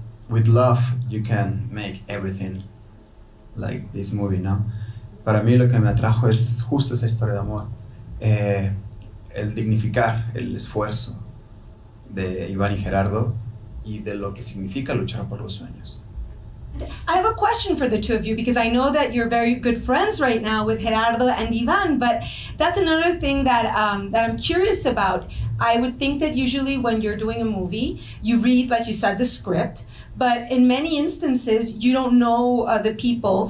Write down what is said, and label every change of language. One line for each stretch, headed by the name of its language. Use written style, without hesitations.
English: With love, you can make everything, like this movie, no?
Spanish: Para mí lo que me atrajo es justo esa historia de amor. El dignificar el esfuerzo de Iván y Gerardo y de lo que significa luchar por los sueños.
English: I have a question for the two of you, because I know that you're very good friends right now with Gerardo and Iván, but that's another thing that that I'm curious about. I would think that usually when you're doing a movie, you read, like you said, the script, but in many instances, you don't know the people.